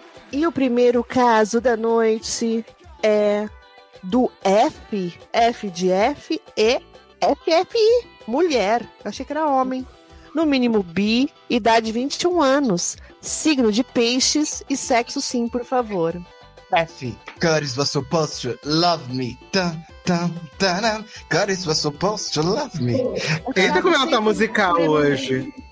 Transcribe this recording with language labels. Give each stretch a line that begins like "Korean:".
Portuguese: E o primeiro caso da noite é do F, F de F e FFI, mulher, achei que era homem, no mínimo bi, idade 21 anos, signo de peixes e sexo sim, por favor.
English: F, God is what's supposed to love me. Dun, dun, dun, dun. God is what's supposed to love me.
Portuguese: Eita, como ela tá musical hoje.